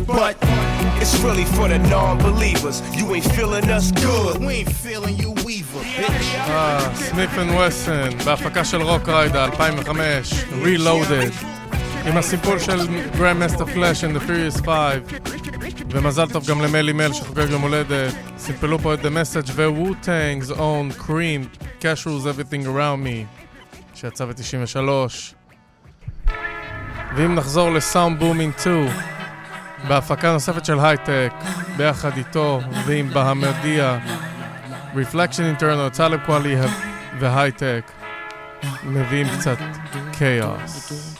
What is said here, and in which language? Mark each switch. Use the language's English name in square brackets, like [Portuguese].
[English] But it's really for the non-believers. You ain't feeling us good. We ain't feeling you weaver, bitch. [Hebrew] Smith and Wesson, בהפקה של רוק ריידה, 2005, Reloaded. עם הסיפור של Grandmaster Flash and the Furious 5. ומזל טוב גם למלי מל שחוגג יום הולדת. סיפלו פה את The Message ו-Wu-Tang's Own Cream, Cash Rules Everything Around Me. שיצא ב-93. ואם נחזור לסאונד בומינג 2, בהפקה נוספת של הייטק, ביחד איתו ועם בהמדיה, Reflection Internal, טלב קואלי והייטק, מביאים קצת כאוס.